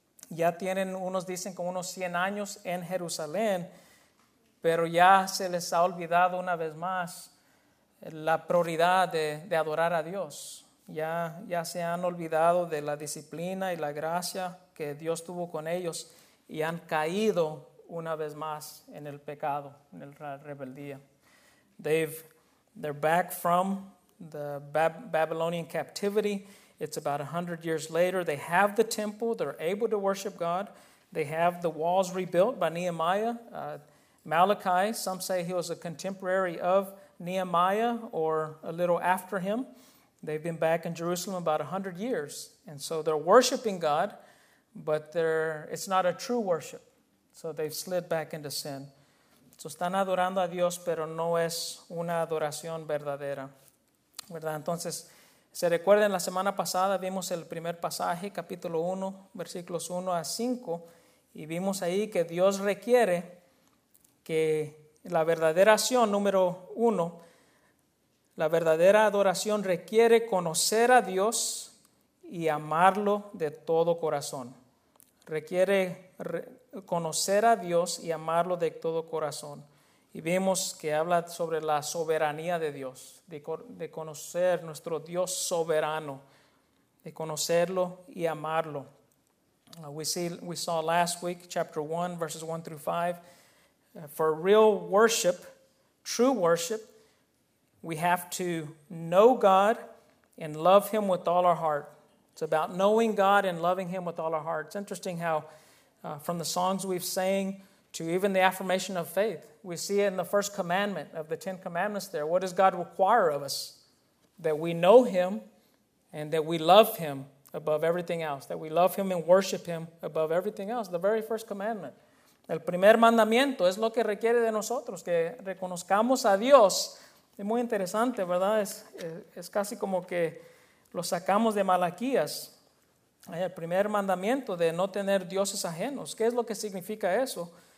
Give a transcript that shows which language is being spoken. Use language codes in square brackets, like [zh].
[es] Ya tienen, unos dicen, como unos 100 años en Jerusalén, pero ya se les ha olvidado una vez más la prioridad de adorar a Dios. Ya se han olvidado de la disciplina y la gracia que Dios tuvo con ellos y han caído una vez más en el pecado, en la rebeldía. [en] They're back from the Babylonian captivity. It's about 100 years later. They have the temple. They're able to worship God. They have the walls rebuilt by Nehemiah. Malachi, some say he was a contemporary of Nehemiah or a little after him. They've been back in Jerusalem about 100 years. And so they're worshiping God, but it's not a true worship. So they've slid back into sin. [es] So están adorando a Dios, pero no es una adoración verdadera. ¿Verdad? Entonces, se recuerden, la semana pasada vimos el primer pasaje, capítulo 1, versículos 1 a 5. Y vimos ahí que Dios requiere que la verdadera acción, número 1, la verdadera adoración requiere conocer a Dios y amarlo de todo corazón. Requiere conocer a Dios y amarlo de todo corazón. Y vimos que habla sobre la soberanía de Dios, de conocer nuestro Dios soberano, de conocerlo y amarlo. [en] We saw last week, chapter 1, verses 1 through 5, for real worship, true worship, we have to know God and love Him with all our heart. It's about knowing God and loving Him with all our heart. It's interesting how from the songs we've sang to even the affirmation of faith, we see it in the first commandment of the Ten Commandments there. What does God require of us? That we know Him and that we love Him above everything else. That we love Him and worship Him above everything else. The very first commandment. [es] El primer mandamiento es lo que requiere de nosotros, que reconozcamos a Dios. Es muy interesante, ¿verdad? Es casi como que lo sacamos de Malaquías. El primer mandamiento de no tener dioses ajenos. ¿Qué es lo que significa eso?